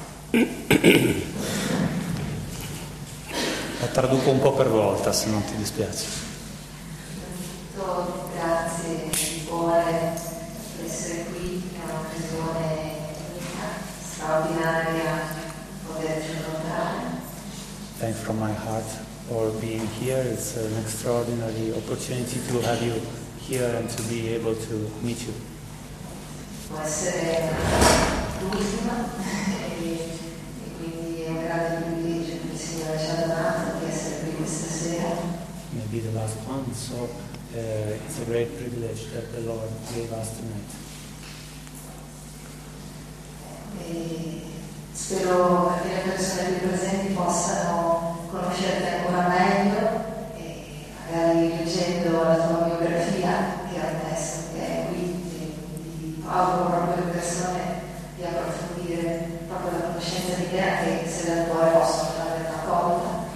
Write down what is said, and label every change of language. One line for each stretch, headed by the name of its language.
Italian: La traduco un po' per volta, se non ti dispiace. Grazie di cuore. Essere qui è una occasione straordinaria poterci incontrare.
English: Thanks from my heart for being here. It's an extraordinary opportunity to have you here and to be able to meet you.
Italian: Può essere l'ultima e quindi è un grande privilegio che il Signore ci ha donato di essere qui questa sera.
English: Maybe the last one, so it's a great privilege that the Lord gave us tonight.
Italian: E spero che le persone qui presenti possano conoscerti ancora meglio e magari leggendo la tua biografia che adesso è qui ti auguro proprio le persone di approfondire proprio la conoscenza di te che se dal cuore posso fare una cosa.